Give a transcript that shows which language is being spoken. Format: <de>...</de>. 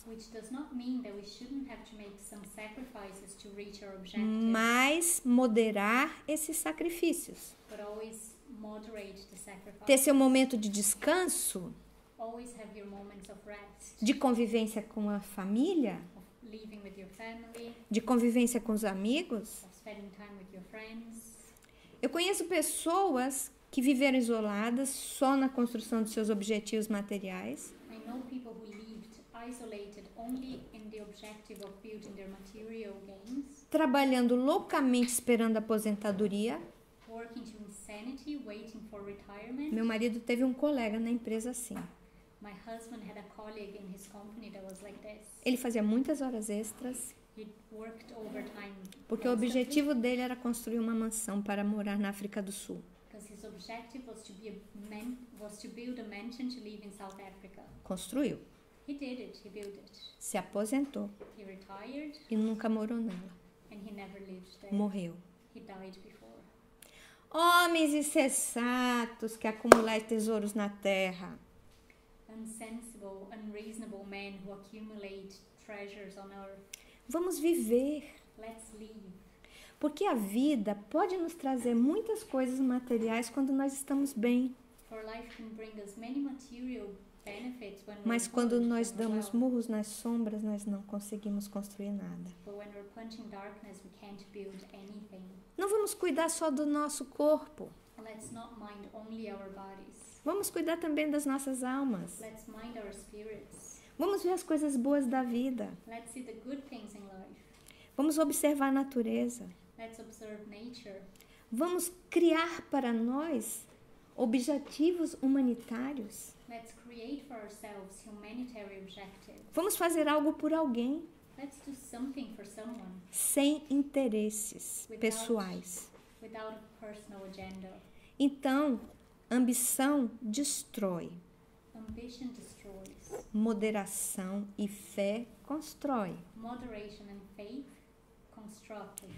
<en>Which does not mean that we shouldn't have to make some sacrifices to reach our objectives.</en> <pt>Mas moderar esses sacrifícios.</pt> <en>But always moderate the sacrifices.</en> <pt>Ter seu momento de descanso.</pt> <en>Always have your moments of rest.</en> <pt>De convivência com a família.</pt> <en>Living with your family,</en> <pt>de convivência com os amigos.</pt> <en>Spending time with your friends.</en> <pt>Eu conheço pessoas que viveram isoladas só na construção dos seus objetivos materiais.</pt> <en>I know people who lived isolated only in the objective of building their material gains.</en> <pt>Trabalhando loucamente esperando a aposentadoria.</pt> <en>Working to insanity, waiting for retirement.</en> <pt>Meu marido teve um colega na empresa assim.</pt> <en>My husband had a colleague in his company that was like this.</en> <pt>Ele fazia muitas horas extras.</pt> <en>He worked overtime.</en> <pt>Porque o objetivo dele era construir uma mansão para morar na África do Sul.</pt> <en>Because his objective was to be a man, was to build a mansion to live in South Africa.</en> <pt>Construiu.</pt> <en>He did it. He built it.</en> <pt>Se aposentou.</pt> <en>He retired.</en> <pt>E nunca morou nela.</pt> <en>And he never lived there.</en> <pt>Morreu.</pt> <en>He died before.</en> <pt>Homens insensatos que acumulam tesouros na terra.</pt> <en>Unsensible, unreasonable men who accumulate treasures on earth.</en> <pt>Vamos viver.</pt> <en>Let's live.</en> <pt>Porque a vida pode nos trazer muitas coisas materiais quando nós estamos bem.</pt> <en>For life can bring us many material benefits when</en> <pt>Mas quando nós damos murros nas sombras, nós não conseguimos construir nada.</pt> <en>But when we're punching darkness, we can't build anything.</en> <pt>Não vamos cuidar só do nosso corpo.</pt> <en>Let's not mind only our bodies.</en> <pt>Vamos cuidar também das nossas almas.</pt> <en>Let's mind our spirits.</en> <pt>Vamos ver as coisas boas da vida.</pt> <en>Let's see the good things in life.</en> <pt>Vamos observar a natureza.</pt> <en>Let's observe nature.</en> <pt>Vamos criar para nós objetivos humanitários.</pt> <en>Let's create for ourselves humanitary objectives.</en> <pt>Vamos fazer algo por alguém.</pt> <en>Let's do something for someone.</en> <pt>Sem interesses pessoais.</pt> <en>Without a personal agenda.</en> <pt>Então, ambição destrói.</pt> <en>Ambition destroys.</en> <pt>Moderação e fé constrói.</pt> <en>Moderation and faith construct.</en>